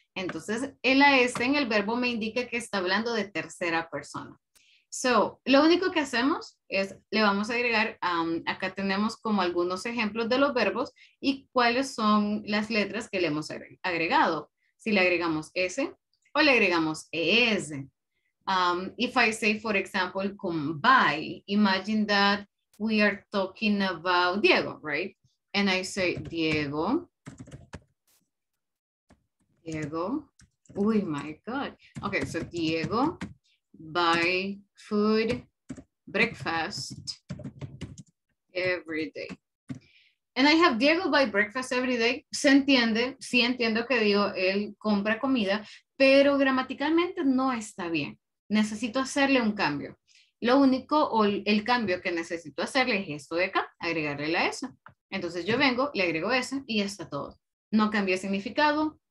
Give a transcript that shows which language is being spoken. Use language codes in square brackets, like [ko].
[es] Entonces, el AS en el verbo me indica que está hablando de tercera persona. So, lo único que hacemos es, le vamos a agregar, acá tenemos como algunos ejemplos de los verbos y cuáles son las letras que le hemos agregado. Si le agregamos S o le agregamos ES. [en] If I say, for example, come by, imagine that we are talking about Diego, right? And I say, Diego. Diego, oh my God. Okay, so Diego buy food, breakfast every day. And I have Diego buy breakfast every day. [es] Se entiende, sí entiendo que digo él compra comida, pero gramaticalmente no está bien. Necesito hacerle un cambio. Lo único o el cambio que necesito hacerle es esto de acá, agregarle la S. Entonces yo vengo, le agrego S y ya está todo. No cambia significado.